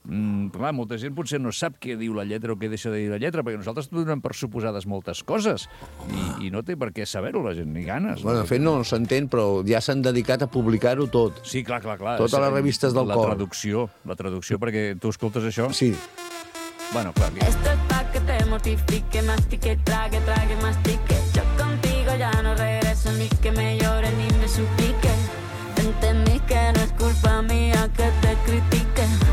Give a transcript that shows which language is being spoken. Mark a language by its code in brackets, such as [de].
[ca] Clar, molta gent potser no sap què diu la lletra o què deixa de dir la lletra, perquè nosaltres donem per suposades moltes coses i no té per què saber-ho, la gent, ni ganes. Bueno, de fet, no s'entén, però ja s'han dedicat a publicar-ho tot. Sí, clar. Totes les revistes del cor. La traducció, perquè tu escoltes això. Sí. Bueno, clar, aquí... [es] Mortifique, mastique, trague, mastique. Yo contigo ya no regreso, ni que me llore ni me suplique. Vente mí que no es culpa mía que te critique.